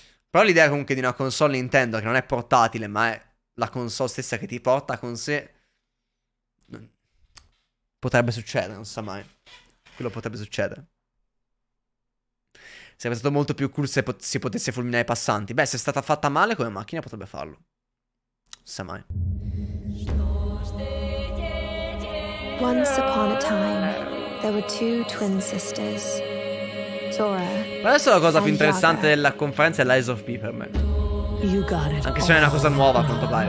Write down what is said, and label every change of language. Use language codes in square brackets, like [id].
[it] Però l'idea comunque di una console Nintendo che non è portatile, ma è la console stessa che ti porta con sé, potrebbe succedere, non so mai. Quello potrebbe succedere. Sarebbe stato molto più cool se si potesse fulminare i passanti. Beh, se è stata fatta male come macchina potrebbe farlo. Non so mai. [en] Once upon a time, there were two twin sisters, Zora. [it] Ma adesso la cosa più interessante della conferenza è Lies of P per me. Anche se non è una cosa nuova, a quanto pare.